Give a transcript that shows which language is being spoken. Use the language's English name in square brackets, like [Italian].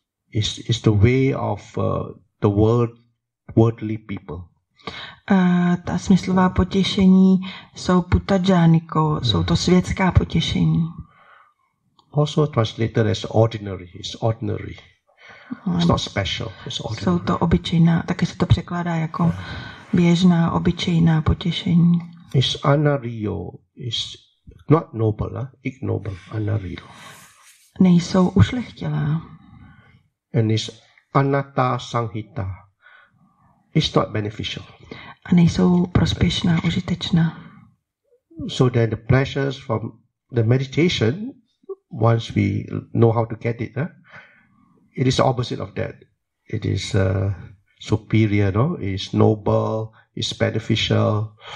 [English] Is the way of the worldly people. [Czech] Ta smyslová potěšení jsou putajaniko, jsou to světská potěšení. [English] Also translated as ordinary, it's ordinary. It's not special, it's ordinary. [Czech] Jsou to obyčejná, taky se to překládá jako běžná, obyčejná potěšení. [English] It's anario, it's not noble, ignoble, anario. [Czech] Nejsou ušlechtilá. [English] And it's anatta sanghita. It's not beneficial. [Czech] A nejsou prospěšná, užitečná. [English] So then the pleasures from the meditation, once we know how to get it, it is the opposite of that. It is superior, no? It's noble, it's beneficial.